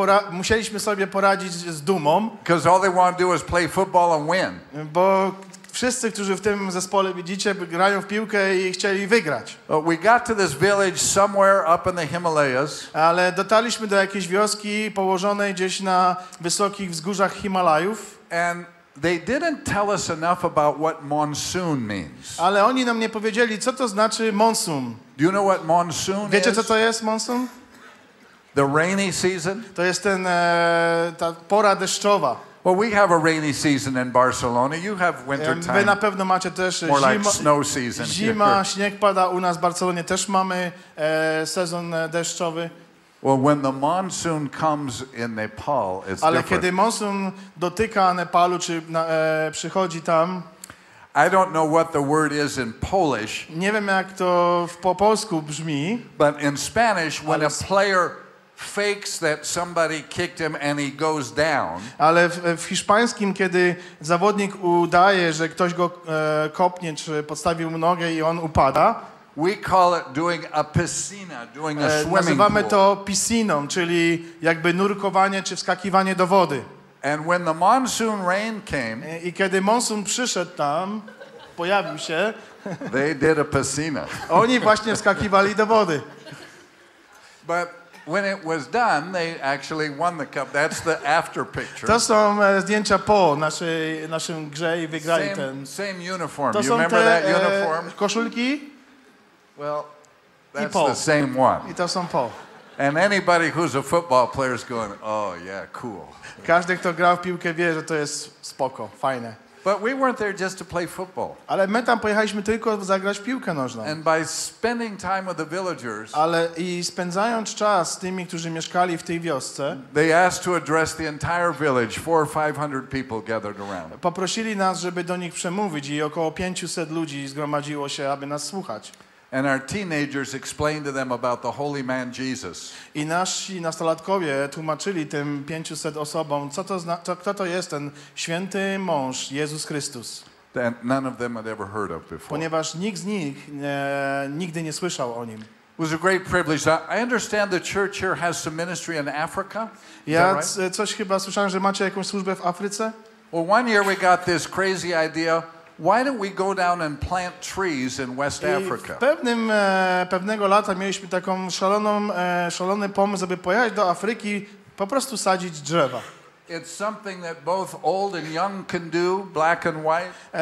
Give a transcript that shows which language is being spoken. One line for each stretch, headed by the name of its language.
Polish: Musieliśmy sobie poradzić z dumą.
English: Because all they want to do is play football and win.
Polish: Bo wszyscy, którzy w tym zespole widzicie, grają w piłkę i chcieli wygrać.
English: We got to this village somewhere up in the Himalayas.
Polish: Ale dotarliśmy do jakiejś wioski położonej gdzieś na wysokich wzgórzach Himalajów.
English: And they didn't tell us enough about what monsoon means.
Polish: Ale oni nam nie powiedzieli, co to znaczy monsoon.
English: Do you know what monsoon is?
Polish: Wiecie, co to jest monsoon?
English: The rainy season.
Polish: To jest ta pora deszczowa.
English: Well, we have a rainy season in Barcelona. You have winter time.
Polish: Wy na pewno macie też
English: more like snow season.
Polish: Zima, śnieg pada. U nas w Barcelonie też mamy sezon deszczowy.
English: Well, when the monsoon comes in Nepal, it's different.
Polish: Ale kiedy monsun dotyka Nepalu, czy przychodzi tam,
English: I don't know what the word is in Polish.
Polish: Nie wiem, jak to po polsku brzmi.
English: But in Spanish, when a player fakes that somebody kicked him and he goes down.
Polish: Ale w hiszpańskim, kiedy zawodnik udaje, że ktoś go kopnie czy podstawił mu nogę i on upada,
English: we call it doing a piscina, doing a swimming
Polish: nazywamy
English: pool.
Polish: To pisciną, czyli jakby nurkowanie czy wskakiwanie do wody.
English: And when the monsoon rain came,
Polish: i kiedy monsun przyszedł tam, pojawił się,
English: they did a piscina.
Polish: Oni właśnie wskakiwali do wody.
English: But when it was done, they actually won the cup. That's the after picture.
Polish: To są zdjęcia po naszym grze i wygrali
English: same,
Polish: ten.
English: Same uniform. You remember that uniform?
Polish: Koszulki?
English: Well, that's the same one.
Polish: I to są po.
English: And anybody who's a football player is going, oh yeah, cool.
Polish: Każdy, kto grał w piłkę, wie, że to jest spoko, fajne.
English: But we weren't there just to play football.
Polish: Ale my tam pojechaliśmy tylko zagrać piłkę nożną.
English: And by spending time with the villagers,
Polish: ale i spędzając czas z tymi, którzy mieszkali w tej wiosce,
English: they asked to address the entire village, 400 or 500 people gathered around.
Polish: Poprosili nas, żeby do nich przemówić i około 500 ludzi zgromadziło się, aby nas słuchać.
English: And our teenagers explained to them about the holy man Jesus.
Polish: I nasi nastolatkowie tłumaczyli tym 500 osobom, co to kto to jest ten święty mąż Jezus Chrystus.
English: That none of them had ever heard of before.
Polish: Ponieważ nikt z nich nigdy nie słyszał o nim.
English: It was a great privilege. I understand the church here has some ministry in Africa.
Polish: Ja coś chyba słyszałem, że macie jakąś służbę w Afryce.
English: Well, one year we got this crazy idea. Why don't we go down and plant trees in West Africa?
Polish: Pewnego lata mieliśmy taką szalony pomysł, aby pojechać do Afryki, po prostu sadzić drzewa.
English: It's something that both old and young can do, black and white.